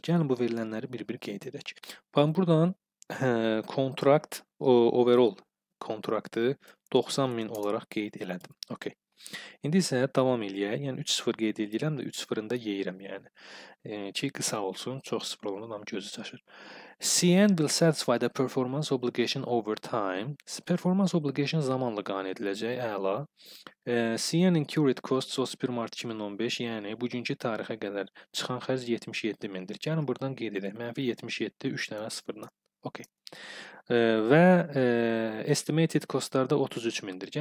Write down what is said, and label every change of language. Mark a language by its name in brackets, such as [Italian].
[Azerbaijani] Gəlin bu verilənləri bir-bir qeyd edək. Bakın, buradan kontrakt, overall kontraktı 90 min olaraq qeyd elədim. Okay. İndi isə davam eləyək. Yəni 3-0 qeyd edirəm də 3-0-ında yeyirəm yəni. Ki qısa olsun, çox 0 olanda nam gözü çaşır. [English] CN will satisfy the performance obligation over time. [Azerbaijani] Performance obligation zamanla qane ediləcək. Əla. [English] CN incurred costs [Azerbaijani] 31 Mart 2015, yəni bugünkü tarixə qədər çıxan xərc 77 mindir. Gəlin buradan qeyd edək. Mənfi 77, 3 dənə 0-dan. Okay. Və estimated costlarda 33 mindir.